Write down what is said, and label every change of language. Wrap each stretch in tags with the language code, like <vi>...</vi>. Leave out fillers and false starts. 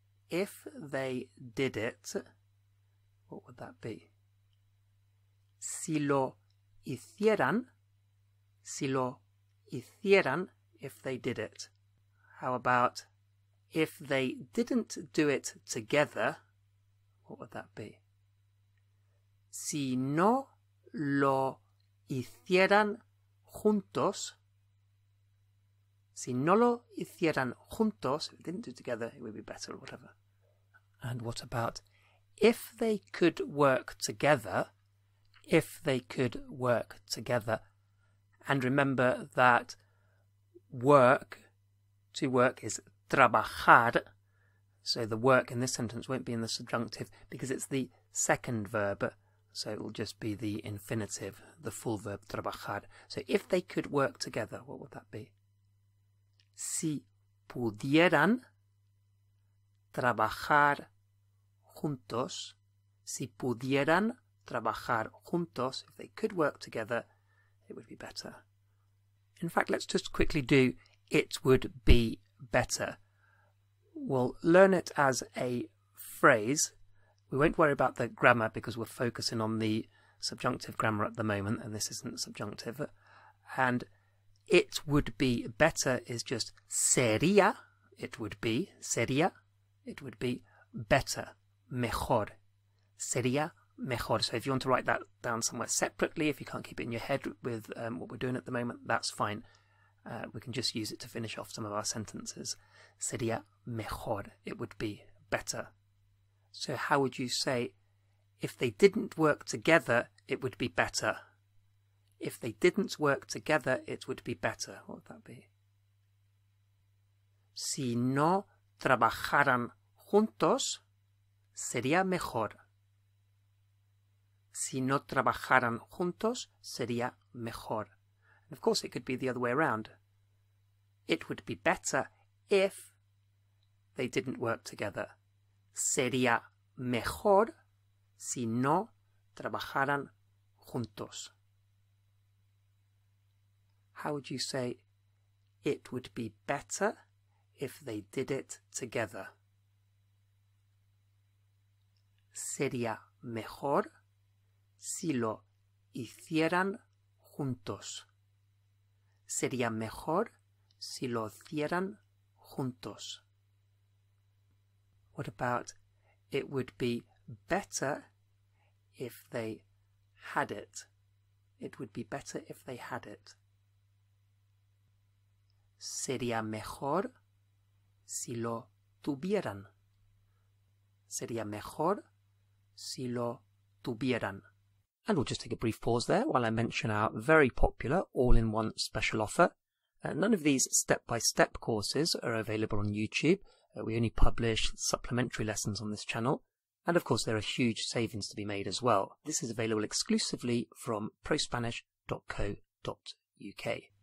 <en>If they did it, what would that be?</en> <es>Si lo hicieran. Si lo hicieran,</es> <en>if they did it. How about if they didn't do it together, what would that be?</en> <es>Si no lo hicieran juntos. Si no lo hicieran juntos,</es> <en>if they didn't do it together, it would be better or whatever. And what about if they could work together? If they could work together. And remember that work, to work, is trabajar. So the work in this sentence won't be in the subjunctive because it's the second verb. So it will just be the infinitive, the full verb, trabajar. So if they could work together, what would that be?</en> <es>Si pudieran trabajar juntos. Si pudieran trabajar juntos.</es> <en>If they could work together, it would be better. In fact, let's just quickly do it would be better. We'll learn it as a phrase. We won't worry about the grammar because we're focusing on the subjunctive grammar at the moment, and this isn't subjunctive. And it would be better is just sería. It would be sería. It would be better. Mejor.</en> <es>Sería mejor.</es> <en>So if you want to write that down somewhere separately, if you can't keep it in your head with what we're doing at the moment, that's fine. We can just use it to finish off some of our sentences.</en> <es>Sería mejor.</es> <en>It would be better. So how would you say, if they didn't work together, it would be better? If they didn't work together, it would be better. What would that be?</en> <es>si no trabajaran juntos, sería mejor. Si no trabajaran juntos, sería mejor.</es> <en>And of course, it could be the other way around. It would be better if they didn't work together.</en> <es>Sería mejor si no trabajaran juntos.</es> <en>How would you say it would be better if they did it together?</en> <es>Sería mejor si lo hicieran juntos. Sería mejor si lo hicieran juntos.</es> <en>What about it would be better if they had it? It would be better if they had it.</en> <es>Sería mejor si lo tuvieran. Sería mejor si lo tuvieran.</es> <en>And we'll just take a brief pause there while I mention our very popular all-in-one special offer. None of these step-by-step courses are available on YouTube. We only publish supplementary lessons on this channel. And of course, there are huge savings to be made as well. This is available exclusively from prospanish.co.uk.</en>